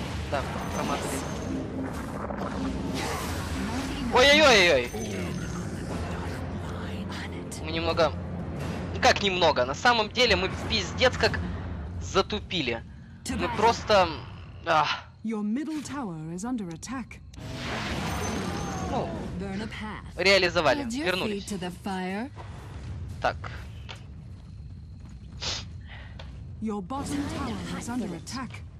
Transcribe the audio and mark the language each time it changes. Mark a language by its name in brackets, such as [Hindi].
[Russian] Да, промазали. Ой-ой-ой-ой! Мы немного... Ну как немного, на самом деле мы пиздец как затупили. Мы просто... Ах. [English] Your middle tower is under attack. [Russian] Ну, реализовали, вернулись. Так. [English] Your bottom tower is under attack.